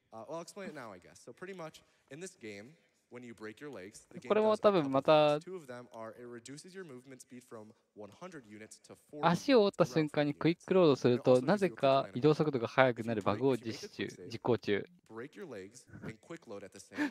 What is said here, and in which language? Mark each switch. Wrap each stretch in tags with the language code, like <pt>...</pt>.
<en>I'll explain it now, I guess. So pretty much, in this game, when you break your legs, the game does a couple things. Two of them are, it reduces your movement speed from 100 units to 40 units.</en> <ja>足を折った瞬間にクイックロードすると、なぜか移動速度が速くなるバグを実行中。</ja> <en>Break your legs and quick load at the same</en>